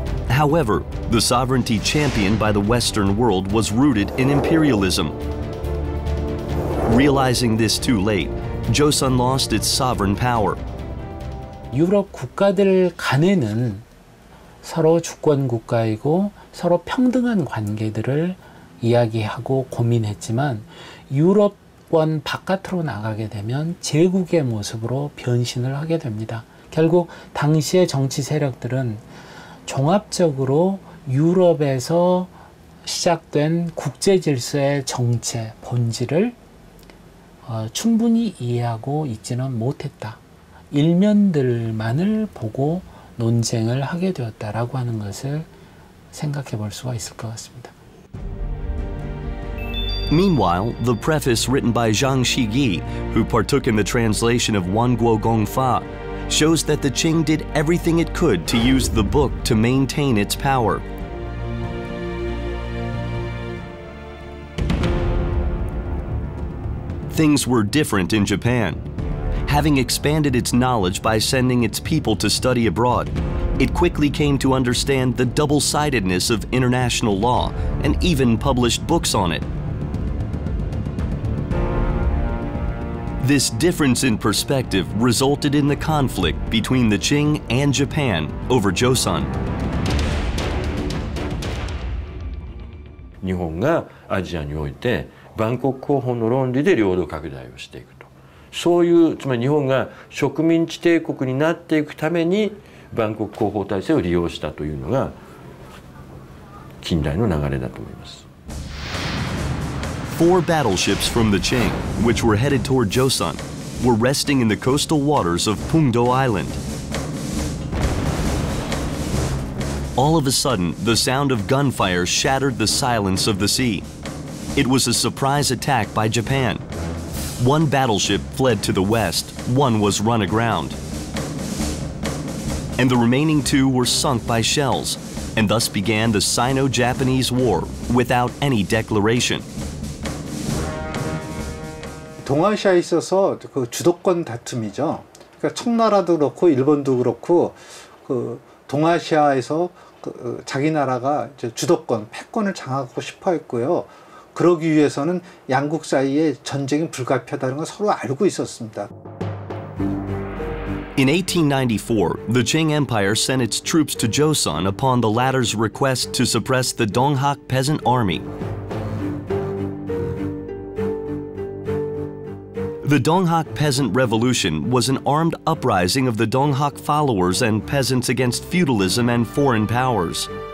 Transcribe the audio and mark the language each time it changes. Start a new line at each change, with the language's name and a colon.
English: However, the sovereignty championed by the Western world was rooted in imperialism. Realizing this too late, Joseon lost its sovereign power.
Korean: 유럽 국가들 간에는 서로 주권 국가이고 서로 평등한 관계들을 이야기하고 고민했지만 유럽권 바깥으로 나가게 되면 제국의 모습으로 변신을 하게 됩니다. 결국 당시의 정치 세력들은 종합적으로 유럽에서 시작된 국제 질서의 정체 본질을 충분히 이해하고 있지는 못했다. 일면들만을 보고 논쟁을 하게 되었다라고 하는 것을 생각해 볼 수가 있을 것 같습니다.
English: Meanwhile, the preface written by Zhang Shigi, who partook in the translation of Wangguo Gongfa, shows that the Qing did everything it could to use the book to maintain its power. Things were different in Japan. Having expanded its knowledge by sending its people to study abroad, it quickly came to understand the double-sidedness of international law and even published books on it. This difference in perspective resulted in the conflict between the Qing and Japan over Joseon.
Japanese: 日本がアジアにおいて万国交法の論理で領土拡大をしていくと、そういうつまり日本が植民地帝国になっていくために万国交法体制を利用したというのが近代の流れだと思います。
English: Four battleships from the Qing, which were headed toward Joseon, were resting in the coastal waters of Pungdo Island. All of a sudden, the sound of gunfire shattered the silence of the sea. It was a surprise attack by Japan. One battleship fled to the west, one was run aground. And the remaining two were sunk by shells, and thus began the Sino-Japanese War without any declaration.
Korean: 동아시아에 있어서 그 주도권 다툼이죠. 그러니까 청나라도 그렇고 일본도 그렇고 그 동아시아에서 그 자기 나라가 이제 주도권, 패권을 장악하고 싶어 했고요. 그러기 위해서는 양국 사이에 전쟁이 불가피하다는 걸 서로 알고 있었습니다.
English: In 1894, the Qing Empire sent its troops to Joseon upon the latter's request to suppress the Donghak Peasant Army. The Donghak Peasant Revolution was an armed uprising of the Donghak followers and peasants against feudalism and foreign powers.